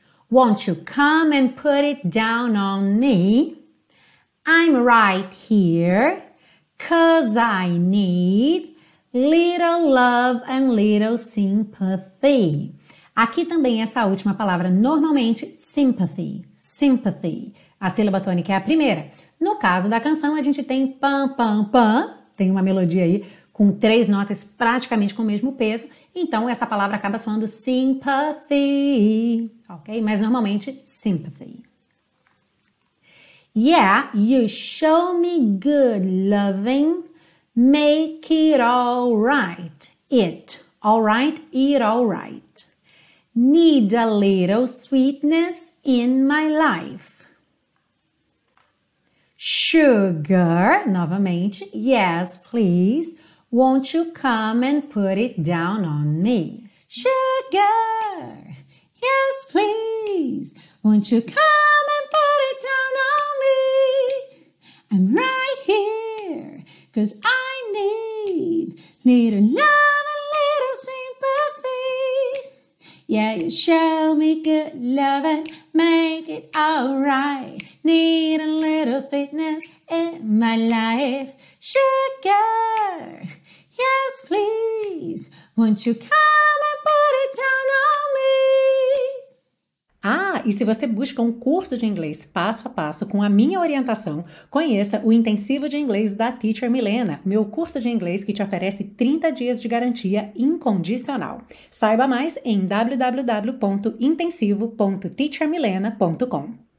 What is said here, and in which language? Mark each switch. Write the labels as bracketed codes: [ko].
[en] Won't you come and put it down on me? I'm right here, 'cause I need little love and little sympathy. [pt] Aqui também essa última palavra, normalmente sympathy, sympathy. A sílaba tônica é a primeira. No caso da canção, a gente tem pam, pam, pam, tem uma melodia aí com três notas praticamente com o mesmo peso, então essa palavra acaba soando sympathy, ok? Mas normalmente sympathy. [en] Yeah, you show me good loving, make it all right, it all right. Need a little sweetness in my life. Sugar, novamente, yes, please, won't you come and put it down on me? Sugar, yes, please, won't you come and put it down on me? I'm right here, 'cause I need little love and little sympathy. Yeah, you show me good love and make it all right. Need a little sweetness in my life. Sugar, yes, please, won't you come and put it down on me? [pt] Ah, e se você busca um curso de inglês passo a passo com a minha orientação, conheça o Intensivo de Inglês da Teacher Milena, meu curso de inglês que te oferece 30 dias de garantia incondicional. Saiba mais em www.intensivo.teachermilena.com.